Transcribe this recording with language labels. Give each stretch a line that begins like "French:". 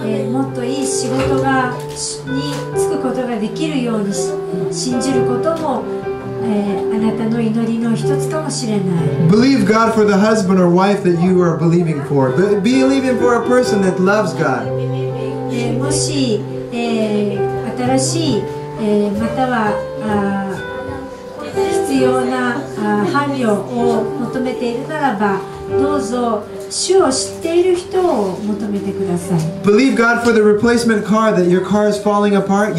Japanese: もっといい仕事に就くことがができるように信じることも、あなたの祈りの一つかもしれない。
English: Believe God for the husband or wife that you are believing for. Believing for a person that loves God.
Japanese: もし、新しい、または必要な伴侶を求めているならば、どうぞ主を知っている人を求めてください。
English: Believe God for the replacement car that your car is falling apart.